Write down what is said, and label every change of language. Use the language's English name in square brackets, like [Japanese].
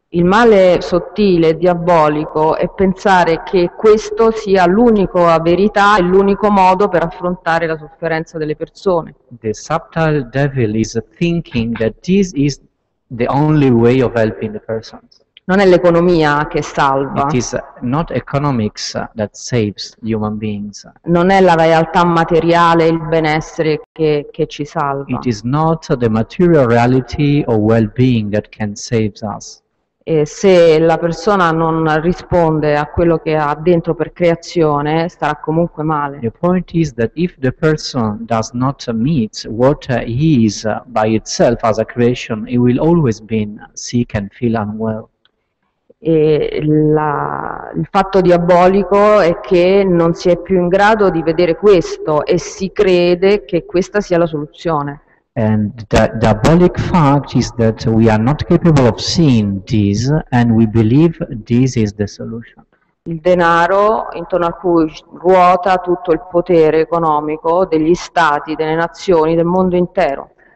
[Italian] Il male sottile, diabolico, è pensare che questo sia l'unico verità e l'unico modo per affrontare la sofferenza delle persone. [English] The subtle devil is thinking that this is the only way of helping the persons. [Italian] Non è l'economia che salva. [English] It is not economics that saves human beings. [Italian] Non è la realtà materiale, il benessere che ci salva. [English] It is not the material reality or well-being that can save us. [Italian] E se la persona non risponde a quello che ha dentro per creazione, starà comunque male. [English] The point is that if the person does not meet what he is by itself as a creation, he will always be sick and feel unwell. [Italian] E il fatto diabolico è che non si è più in grado di vedere questo e si crede che questa sia la soluzione. [English] And the diabolic fact is that we are not capable of seeing this and we believe this is the solution. [Italian] Il denaro, intorno a cui ruota tutto il potere economico degli stati, delle nazioni, del mondo intero.